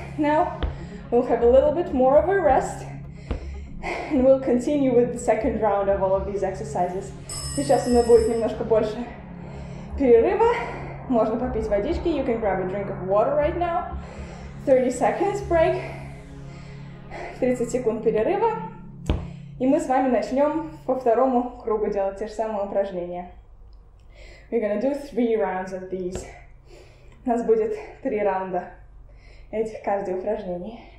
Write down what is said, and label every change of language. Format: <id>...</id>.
<en>Now we'll have a little bit more of a rest and we'll continue with the second round of all of these exercises.</en> <ru>Сейчас у меня будет немножко больше перерыва. Можно попить водички.</ru> <en>You can grab a drink of water right now. 30 seconds break.</en> <ru>30 секунд перерыва, и мы с вами начнем по второму кругу делать те же самые упражнения.</ru> <en>We're gonna do three rounds of these.</en> <ru>У нас будет 3 раунда этих кардиоупражнений.</ru>